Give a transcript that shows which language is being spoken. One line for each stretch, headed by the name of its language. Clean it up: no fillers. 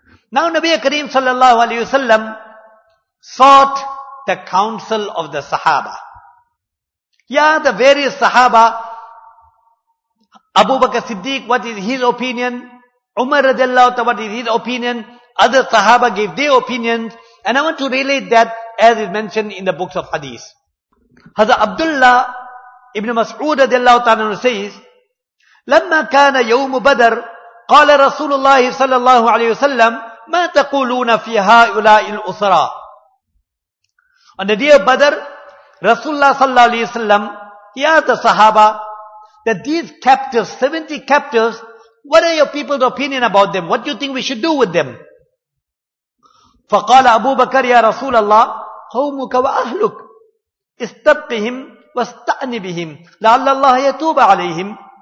English: Now Nabi Kareem sallallahu alayhi wa sallam sought the counsel of the Sahaba. Yeah, the various Sahaba, Abu Bakr Siddiq, what is his opinion? Umar radiallahu ta'ala, what is his opinion? Other Sahaba gave their opinions. And I want to relate that as is mentioned in the books of Hadith. Hazrat Abdullah ibn Mas'ud radiallahu ta'ala says,
Arabic: لما كان يوم بدر قال رسول الله صلى الله عليه وسلم ما تقولون في هؤلاء الأسرى.
English: On the day of Badr, Rasulullah sallallahu alayhi wa sallam, he asked the Sahaba that these captives, 70 captives, what are your people's opinion about them? What do you think we should do with them?
Arabic: فَقَالَ أَبُو بَكَرِ يَا رَسُولَ اللَّهِ هَوْمُكَ وَأَهْلُكَ اسْتَبْقِهِمْ وَاسْتَعْنِ بِهِمْ لَعَلَّ اللَّهَ يَتُوبَ عَلَيْهِمْ.